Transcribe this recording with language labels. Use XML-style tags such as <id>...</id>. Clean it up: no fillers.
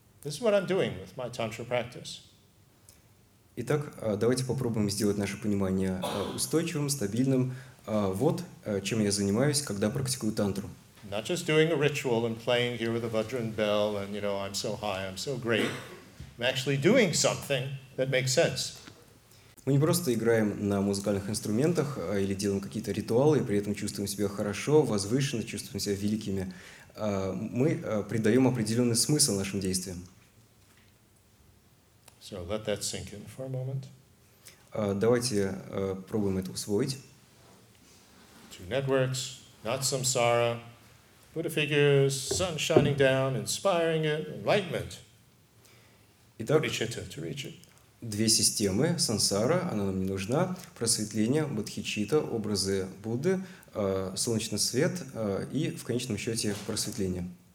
<en>This is what I'm doing with my tantra practice.</en> <ru>Итак, давайте попробуем сделать наше понимание устойчивым, стабильным. Вот чем я занимаюсь, когда практикую тантру.</ru> <en>Not just doing a ritual and playing here with a vajra and bell and, you know, I'm so high, I'm so great. I'm actually doing something that makes sense.</en> <ru>Мы не просто играем на музыкальных инструментах или делаем какие-то ритуалы, и при этом чувствуем себя хорошо, возвышенно, чувствуем себя великими. Мы придаем определенный смысл нашим действиям.</ru> <en>So let that sink in for a moment.</en> <ru>Давайте пробуем это усвоить.</ru> <en>Two networks, not samsara. Buddha figures, sun shining down, inspiring it, enlightenment.</en> <ru>Итак,</ru> <en>bodhicitta to reach it.</en> <ru>Две системы, сансара, она нам не нужна, просветление, бодхичитта, образы Будды, солнечный свет и, в конечном счете, просветление.</ru>